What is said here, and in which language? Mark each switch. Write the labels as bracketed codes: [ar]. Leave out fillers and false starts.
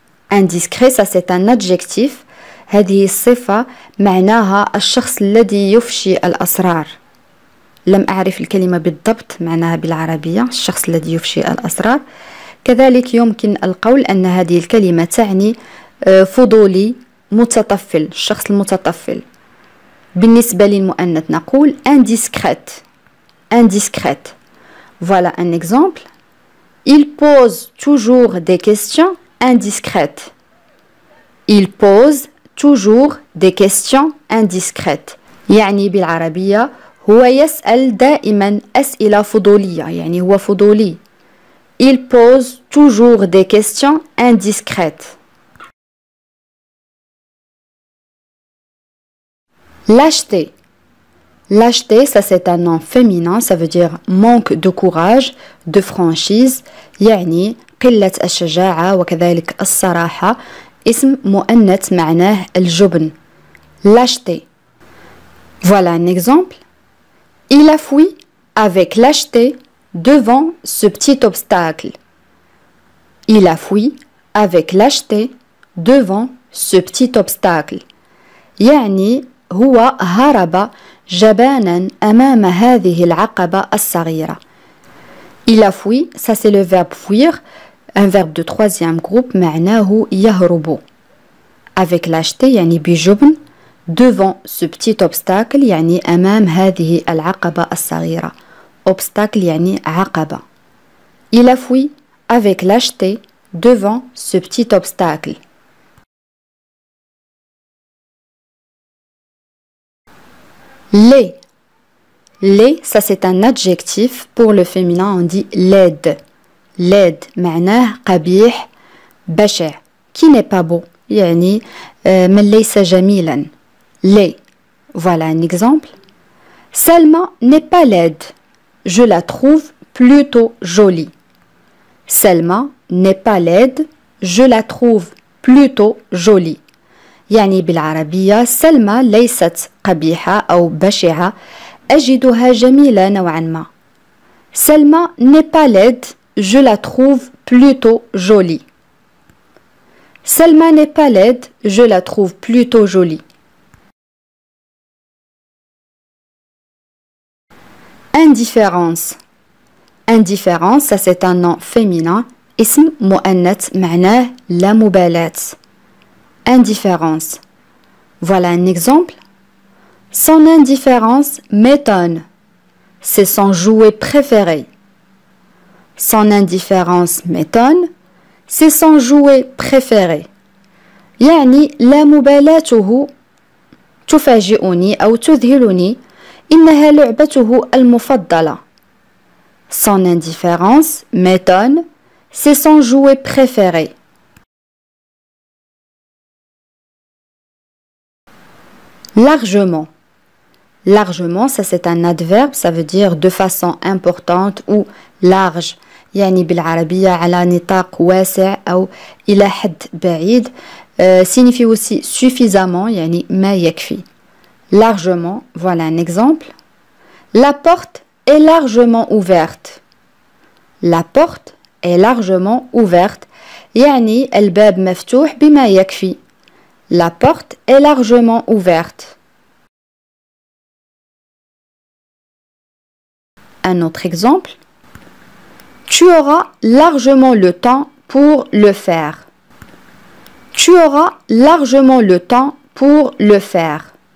[fr] Indiscret, ça c'est un adjectif. [ar] هذه الصفة معناها الشخص الذي يفشي الأسرار. لم أعرف الكلمة بالضبط معناها بالعربية الشخص الذي يفشي الأسرار. كذلك يمكن القول أن هذه الكلمة تعني فضولي متطفل الشخص المتطفل. بالنسبة للمؤنث نقول indiscret. [fr] Indiscret. Voilà un exemple. Il pose toujours des questions indiscrètes. Il pose toujours des questions indiscrètes. [ar] يعني بالعربية هو يسأل دائما أسئلة فضولية يعني هو فضولي. [fr] Il pose toujours des questions indiscrètes. L'acheter. L'acheter, ça c'est un nom féminin, ça veut dire manque de courage, de franchise. [ar] يعني قلة الشجاعة وكذلك الصراحة. اسم مؤنث معناه الجبن. [fr] L'acheter. Voilà un exemple. Il a fui avec l'acheter devant ce petit obstacle. Il a fui avec l'acheter devant ce petit obstacle. [ar] يعني هو هرب جبانا أمام هذه العقبة الصغيرة. [fr] Il a fui, ça c'est le verbe fuir, un verbe de troisième groupe, [ar] معناه يهرب. [fr] Avec l'acheter, [ar] يعني بجبن. [fr] Devant ce petit obstacle, [ar] يعني أمام هذه العقبة الصغيرة. Obstacle, يعني عقبة. [fr] Il a fui avec l'acheté devant ce petit obstacle. Les. Les, ça c'est un adjectif. Pour le féminin, on dit laide. [ar] Laide, معناه قبيح, بشع. [fr] Qui n'est pas beau, [ar] يعني من ليس جميلا. [fr] Les. Voilà un exemple. Salma n'est pas laide. Je la trouve plutôt jolie. Salma n'est pas laide. Je la trouve plutôt jolie. [ar] يعني بالعربية سلمى ليست قبيحة أو بشعة. أجدها جميلة نوعا ما. [fr] سلمى n'est pas laide. Je la trouve plutôt jolie. Salma n'est pas laide. Je la trouve plutôt jolie. Indifférence. Indifférence, ça c'est un nom féminin. [ar] اسم مؤنث معناه لا مبالاة. [fr] Indifférence. Voilà un exemple. Son indifférence m'étonne. C'est son jouet préféré. Son indifférence m'étonne. C'est son jouet préféré. [ar] يعني لا مبالاته تفاجئني أو تذهلني. إنها لعبته المفضلة. [fr] Son indifférence m'étonne. C'est son jouet préféré. Largement. Largement, ça c'est un adverbe, ça veut dire de façon importante ou large. [ar] يعني بالعربية على نطاق واسع أو إلى حد بعيد. [fr] Signifie aussi suffisamment, [ar] يعني ما يكفي. [fr] Largement, voilà un exemple. La porte est largement ouverte. La porte est largement ouverte. [ar] يعني الباب مفتوح بما يكفي. [fr] La porte est largement ouverte. Un autre exemple. Tu auras largement le temps pour le faire. Tu auras largement le temps pour le faire.